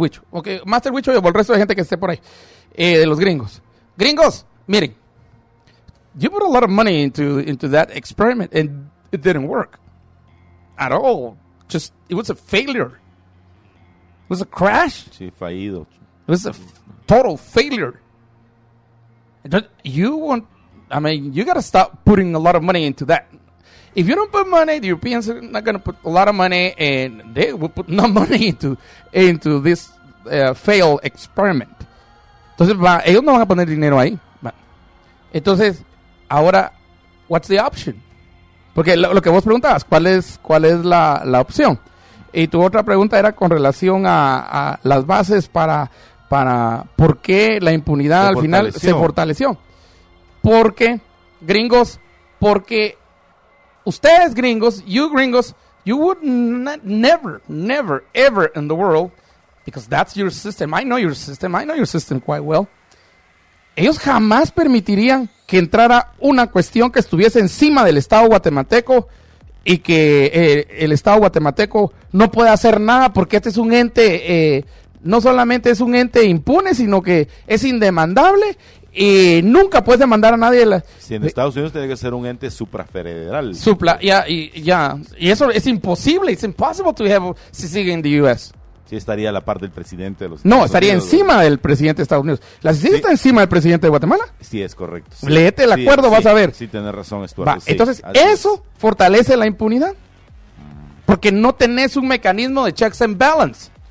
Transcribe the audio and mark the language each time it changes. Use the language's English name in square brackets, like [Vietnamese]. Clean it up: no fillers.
[Spanish] Ok, Master Huicho y el resto de gente que esté por ahí, de los gringos. Gringos, miren. [English] You put a lot of money into that experiment and it didn't work at all. Just, it was a failure. It was a crash. [Spanish] Sí, fallido. [English] It was a total failure. You gotta stop putting a lot of money into that. If you don't put money, the Europeans are not gonna put a lot of money, and they will put no money into this failed experiment. [Spanish] Entonces, ellos no van a poner dinero ahí. Entonces, ahora, [English] what's the option? [Spanish] Porque lo que vos preguntabas, ¿cuál es la opción? Y tu otra pregunta era con relación a las bases para por qué la impunidad al final se fortaleció. Porque, gringos, porque ustedes gringos, [English] you would never, ever in the world, because that's your system. I know your system quite well. [Spanish] Ellos jamás permitirían que entrara una cuestión que estuviese encima del Estado guatemalteco y que el Estado guatemalteco no pueda hacer nada porque este es un ente... No solamente es un ente impune, sino que es indemandable y nunca puedes demandar a nadie. Si en Estados Unidos tiene que ser un ente suprafederal. Y eso es imposible. [English] It's impossible to have CICIG in the U.S. [Spanish] Sí, estaría a la par del presidente de los Estados Unidos. No, estaría encima del presidente de Estados Unidos. ¿La CICIG está encima del presidente de Guatemala? Sí, es correcto. Sí. Léete el acuerdo, vas a ver. Sí, tenés razón, Estuardo. Sí, entonces, eso fortalece la impunidad. Porque no tenés un mecanismo de [English] checks and balance.